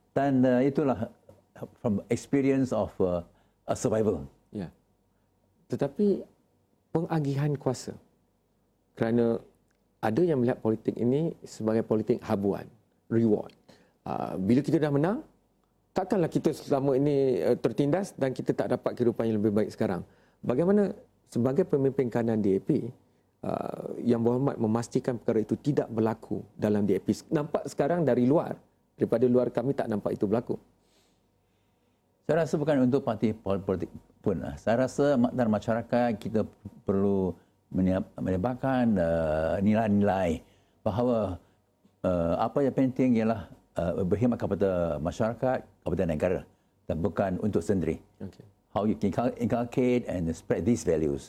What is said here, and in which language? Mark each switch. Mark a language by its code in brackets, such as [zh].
[ms] Dan itulah [en] from experience of a survival. [ms] Ya. Tetapi pengagihan kuasa. Kerana ada yang melihat politik ini sebagai politik habuan, reward. Bila kita dah menang, takkanlah kita selama ini tertindas dan kita tak dapat kehidupan yang lebih baik sekarang. Bagaimana sebagai pemimpin kanan DAP yang berhormat memastikan perkara itu tidak berlaku dalam DAP? Nampak sekarang dari luar, daripada luar kami tak nampak itu berlaku. Saya rasa bukan untuk parti politik pun. Saya rasa dalam masyarakat kita perlu menyebabkan nilai-nilai bahawa apa yang penting ialah berkhidmat kepada masyarakat, kepada negara dan bukan untuk sendiri. Okay. [en] How you can inculcate and spread these values.